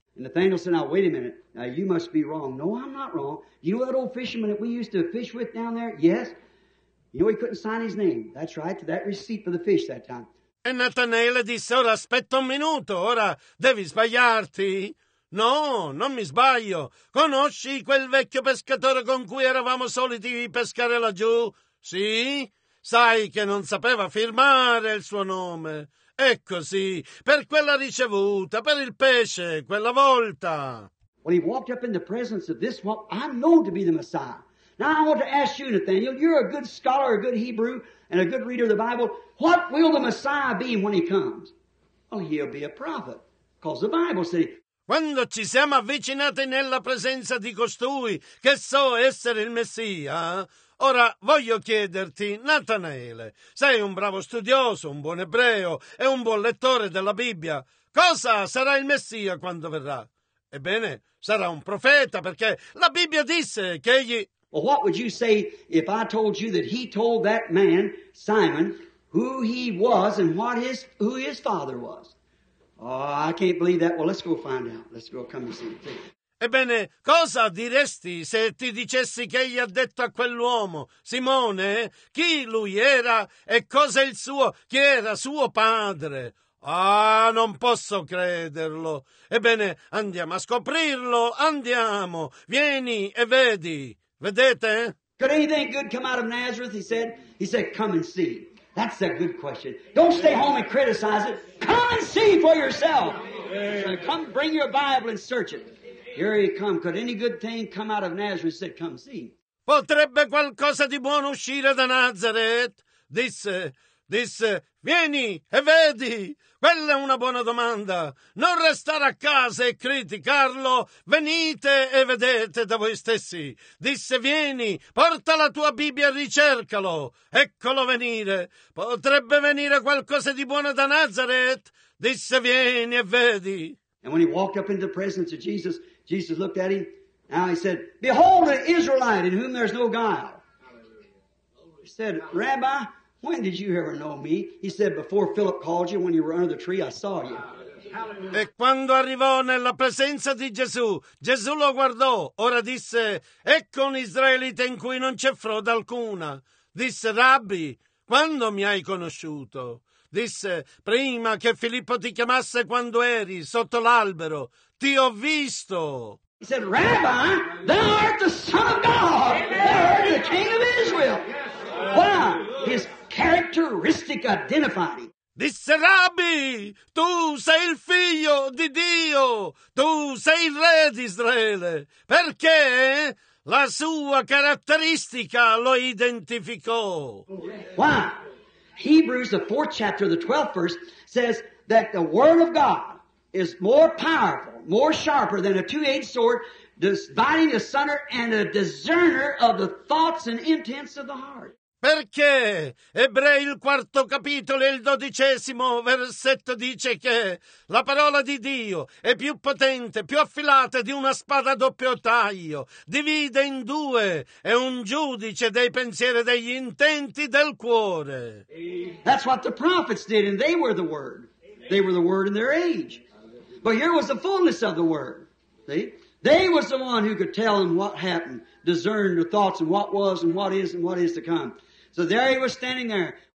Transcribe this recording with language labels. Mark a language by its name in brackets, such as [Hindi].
[English] Nathanael said, now wait a minute, now you must be wrong. No, I'm not wrong. You know that old fisherman that we used to fish with down there? Yes. You know he couldn't sign his name. That's right, to that receipt for the fish that time. [Italian] E Natanaele disse, ora aspetta un minuto, ora devi sbagliarti. No, non mi sbaglio. Conosci quel vecchio pescatore con cui eravamo soliti pescare laggiù? Sì? Sai che non sapeva firmare il suo nome. E così, per quella ricevuta, per il pesce, quella volta. [English] Well, he walked up in the presence of this one, I know to be the Messiah. Now I want to ask you, Nathanael, you're a good scholar, a good Hebrew, and a good reader of the Bible. What will the Messiah be when he comes? Well, he'll be a prophet, because the Bible said he... [Italian] Quando ci siamo avvicinati nella presenza di costui che so essere il Messia, ora voglio chiederti, Natanaele, sei un bravo studioso, un buon ebreo e un buon lettore della Bibbia. Cosa sarà il Messia quando verrà? Ebbene, sarà un profeta, perché la Bibbia disse che egli... [English] Well, what would you say if I told you that he told that man, Simon, who he was and what his, who his father was? Oh, I can't believe that. Well, let's go find out. Let's go come and see. [Italian] Ebbene, cosa diresti se ti dicessi che gli ha detto a quell'uomo, Simone, chi lui era e cosa il suo, chi era suo padre? Ah, non posso crederlo. Ebbene, andiamo a scoprirlo. Andiamo. Vieni e vedi. Vedete? [English] Could anything good come out of Nazareth, he said? He said, come and see. That's a good question. Don't stay home and criticize it. Come and see for yourself. So come bring your Bible and search it. Here he come. Could any good thing come out of Nazareth? He said, come and see. [Italian] Potrebbe qualcosa di buono uscire da Nazareth? Disse, vieni e vedi. Quella è una buona domanda. Non restare a casa e criticarlo. Venite e vedete da voi stessi. Disse, vieni, porta la tua Bibbia e ricercalo. Eccolo venire. Potrebbe venire qualcosa di buono da Nazareth. Disse, vieni e vedi. [English] And when he walked up into the presence of Jesus, Jesus looked at him. Now he said, behold an Israelite in whom there's no guile. He said, Rabbi, when did you ever know me? He said, before Philip called you, when you were under the tree, I saw you. [Italian] E quando arrivò nella presenza di Gesù, Gesù lo guardò. Ora disse, ecco un israelita in cui non c'è frode alcuna. Disse, Rabbi, quando mi hai conosciuto? Disse, prima che Filippo ti chiamasse quando eri sotto l'albero, ti ho visto. [English] He said, Rabbi, thou art the Son of God, thou art the King of Israel. Why? His characteristic identified him. [Italian] Disse, Rabbi, tu sei il figlio di Dio, tu sei il re di Israele. Perché la sua caratteristica lo identificò. [English] Why? Hebrews, the 4th chapter, the 12th verse, says that the word of God is more powerful, more sharper than a two-edged sword, dividing asunder and a discerner of the thoughts and intents of the heart. [Italian] Perché Ebrei il 4 capitolo e il 12 versetto dice che la parola di Dio è più potente, più affilata di una spada a doppio taglio, divide in due, è un giudice dei pensieri e degli intenti del cuore. [English] That's what the prophets did, and they were the word. They were the word in their age. But here was the fullness of the word. See? They was the one who could tell them what happened, discern the thoughts and what was and what is to come. So there he was standing there.